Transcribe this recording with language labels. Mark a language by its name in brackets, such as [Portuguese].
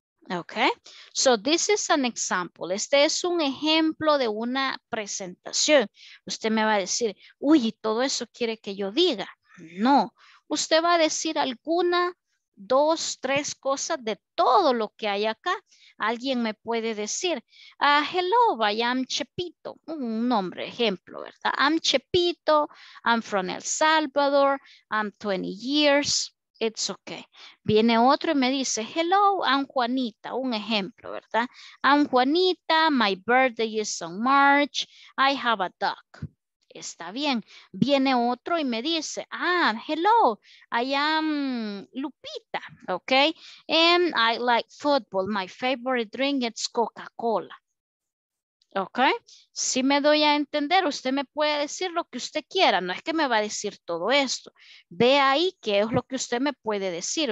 [English] Okay, so this is an example. [Spanish] Este es un ejemplo de una presentación. Usted me va a decir, uy, ¿y todo eso quiere que yo diga? No, usted va a decir alguna, 2, 3 cosas de todo lo que hay acá. Alguien me puede decir, [English] hello, I am Chepito. [Spanish] Un nombre, ejemplo, ¿verdad? [English] I'm Chepito, I'm from El Salvador, I'm 20 years. It's okay. [Spanish] Viene otro y me dice, [English] hello, I'm Juanita. [Spanish] Un ejemplo, ¿verdad? [English] I'm Juanita, my birthday is on March, I have a dog. [Spanish] Está bien. Viene otro y me dice, ah, [English] hello, I am Lupita, okay? And I like football, my favorite drink is Coca-Cola. Okay? [Spanish] Si me doy a entender, usted me puede decir lo que usted quiera. No es que me va a decir todo esto. Ve ahí qué es lo que usted me puede decir.